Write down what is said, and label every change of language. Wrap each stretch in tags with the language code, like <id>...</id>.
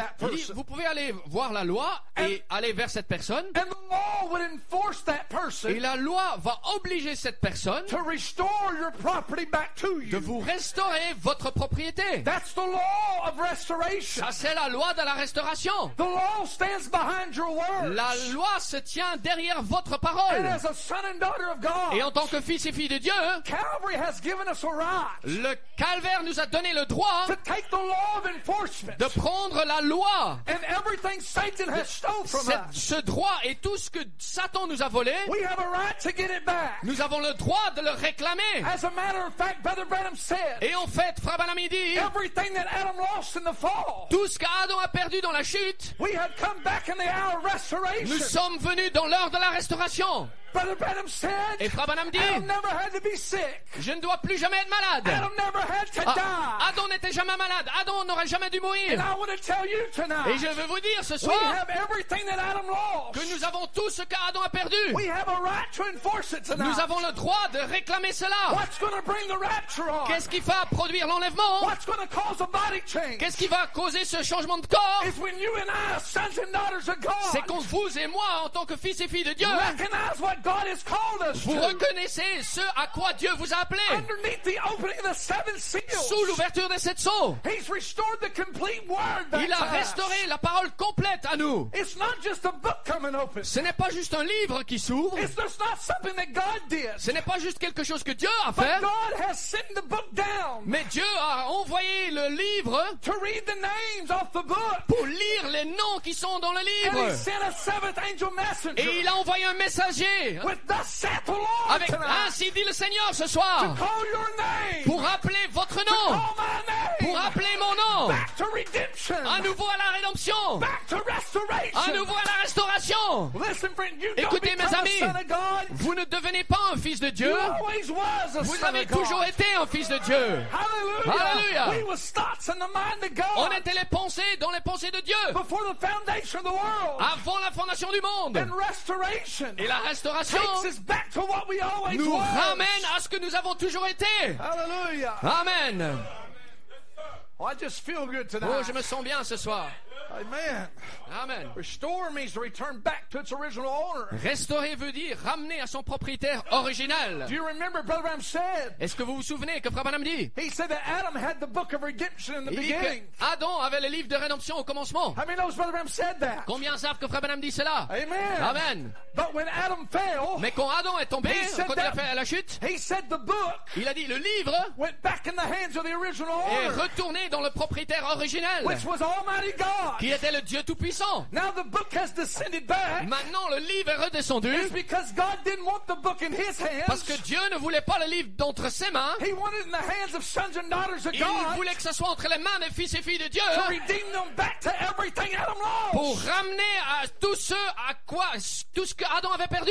<fr>dit, vous pouvez aller voir la loi et aller vers cette personne,</fr> <en>and the law would enforce that person,</en> <fr>et la loi va obliger cette personne</fr> <en>to restore your property back to you.</en> <fr>De vous restaurer votre propriété.</fr> <en>That's the law of restoration.</en> <fr>Ça, c'est la loi de la restauration.</fr> <en>The law stands behind your words.</en> <fr>La loi se tient derrière votre parole.</fr> <en>And as a son and daughter of God,</en> <fr>et en tant que fils et fille de Dieu,</fr> <en>Calvary has given us a right,</en> <fr>le calvaire nous a donné le droit</fr> <en>to take the law of enforcement,</en> <fr>de prendre la loi.</fr> <en>And everything Satan has stole from us.</en> <fr>Ce droit et tout ce que Satan nous a volé,</fr> <en>we have a right to get it back.</en> <fr>Nous avons le droit de le réclamer.</fr> <en>As a matter of fact, Brother Branham said,</en> <fr>et en fait, Frère Branham dit,</fr> <en>everything that Adam lost in the fall,</en> <fr>tout ce qu'Adam a perdu dans la chute,</fr> <en>we have come back in the hour of restoration.</en> <fr>Nous sommes venus dans l'heure de la restauration.</fr> <en>Brother Branham said,</en> <fr>et Frère Branham dit,</fr> <en>Adam never had to be sick.</en> <fr>Je ne dois plus jamais être malade.</fr> <en>Adam never had to die.</en> <fr>Adam n'était jamais malade. Adam n'aurait jamais dû mourir.</fr> <en>And I want to tell you tonight,</en> <fr>et je veux vous dire ce soir,</fr> <en>we have everything that Adam lost,</en> <fr>que nous avons tout ce qu'Adam a perdu.</fr> <en>We have a right to enforce it tonight.</en> <fr>Nous avons le droit de réclamer cela.</fr> <en>What's going to bring the rapture on?</en> <fr>Qu'est-ce qui va produire l'enlèvement?</fr> <en>What's going to cause a body change?</en> <fr>Qu'est-ce qui va causer ce changement de corps?</fr> <en>It's when you and I, sons and daughters of God,</en> <fr>c'est quand vous et moi, en tant que fils et filles de Dieu,</fr> <en>recognize what God has called us</en> <fr>vous</fr> <en>to.</en> <fr>Reconnaissez ce à quoi Dieu vous a appelé.</fr> <en>Underneath the opening of the seven seals,</en> <fr>sous l'ouverture des sept sceaux,</fr> <en>he's restored the complete word back</en> <fr>il a restauré</fr> <en>to us.</en> <fr>La parole complète à nous.</fr> <en>It's not just a book coming open.</en> <fr>Ce n'est pas juste un livre qui s'ouvre.</fr> <en>It's just not something that God did.</en> <fr>Ce n'est pas juste quelque chose que Dieu a fait.</fr> <en>But God has sent the book down.</en> <fr>Mais Dieu a envoyé le livre</fr> <en>to read the names off the book.</en> <fr>Pour lire les noms qui sont dans le livre.</fr> <en>And he sent a seventh angel messenger.</en> <fr>Et il a envoyé un messager.</fr> <en>With thus saith the Lord tonight,</en> <fr>avec ainsi dit le Seigneur ce soir,</fr> <en>to call your name,</en> <fr>pour appeler votre nom,</fr> <en>to call my name,</en> <fr>pour appeler mon nom. restauration.</fr> <en>Back to redemption.</en> <fr>À nouveau à la rédemption.</fr> <en>Back to restoration.</en> <fr>À nouveau à la restauration.</fr> <en>Listen, friend, you</en> <fr>Écoutez, mes amis, vous ne devenez pas un fils de Dieu.</fr> <en>You always was a</en> <fr>vous</fr> <en>son</en> <fr>avez</fr> <en>of</en> <fr>toujours</fr> <en>God.</en> <fr>Été un fils de Dieu. Hallelujah.</fr> <en>We were thoughts in the mind of God.</en> <fr>On était les pensées dans les pensées de Dieu.</fr> <en>Before the foundation of the world.</en> <fr>Avant la fondation du monde.</fr> <en>And restoration.</en> <fr>Et la restauration</fr> <en>takes us back to what we always</en> <fr>nous</fr> <en>was.</en> <fr>Ramène à ce que nous avons toujours été. Hallelujah. Amen.</fr> <en>Oh, I just feel good tonight.</en> <fr>Oh, je me sens bien ce soir. Amen. Amen.</fr> <en>Restore means to return back to its original owner.</en> <fr>Restaurer veut dire ramener à son propriétaire original.</fr> <en>Do you remember Brother Branham said?</en> <fr>Est-ce que vous vous souvenez que Frère Branham dit?</fr> <en>He said that Adam had the book of redemption in the beginning.</en> <fr>Adam avait le livre de rédemption au commencement.</fr> <en>How many knows Brother Branham said that?</en> <fr>Combien savent que Frère Branham dit cela? Amen. Amen.</fr> <en>But when Adam fell,</en> <fr>mais quand Adam est tombé, quand il a fait la chute,</fr> <en>he said the book,</en> <fr>il a dit le livre,</fr> <en>went back in the hands of the original owner,</en> <fr>est retourné dans le propriétaire original,</fr> <en>which was Almighty God.</en> <fr>Qui était le Dieu Tout-Puissant.</fr> <en>Now the book has descended back.</en> <fr>Maintenant, le livre est redescendu.</fr> <en>It's because God didn't want the book in his hands.</en> <fr>Parce que Dieu ne voulait pas le livre d'entre ses mains.</fr> <en>He wanted it in the hands of sons and daughters of</en> <fr>Il</fr> <en>God.</en> <fr>Voulait que ce soit entre les mains des fils et filles de Dieu.</fr> <en>To redeem them back to everything Adam lost.</en> <fr>Pour ramener à tout ce à quoi tout ce que Adam avait perdu.</fr>